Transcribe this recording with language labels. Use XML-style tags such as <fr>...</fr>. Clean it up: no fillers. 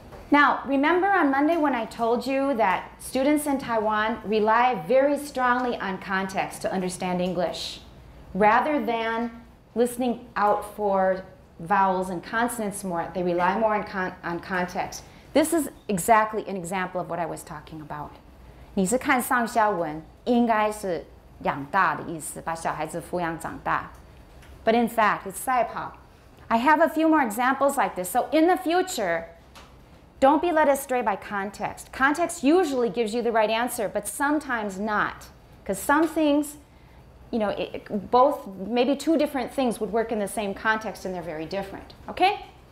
<en>Now, remember on Monday when I told you that students in Taiwan rely very strongly on context to understand English, rather than listening out for vowels and consonants more, they rely more on context. This is exactly an example of what I was talking about.</en> <zh>你是看上下文，应该是养大的意思，把小孩子抚养长大。</zh> <en>But in fact, it's 赛跑。 I have a few more examples like this. So in the future, don't be led astray by context. Context usually gives you the right answer, but sometimes not. Because some things, you know, maybe two different things would work in the same context and they're very different, okay?</en>